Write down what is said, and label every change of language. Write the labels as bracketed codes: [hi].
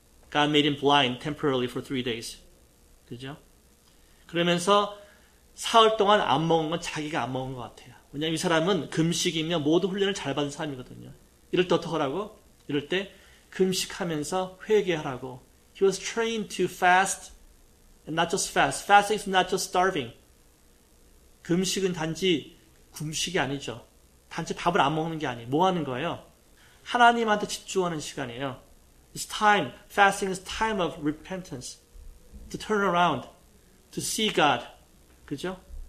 [en] God made him blind temporarily for three days. [ko] 그죠? 그러면서 사흘 동안 안 먹은 건 자기가 안 먹은 것 같아요. 왜냐하면 이 사람은 금식이며 모든 훈련을 잘 받은 사람이거든요. 이럴 때 어떡하라고? 이럴 때 금식하면서 회개하라고. [en] He was trained to fast and not just fast. Fasting is not just starving. [ko] 금식은 단지 굶식이 아니죠. 단지 밥을 안 먹는 게 아니에요. 뭐 하는 거예요? 하나님한테 집중하는 시간이에요. [en] It's time. Fasting is time of repentance. To turn around. To see God. [ko] 그죠?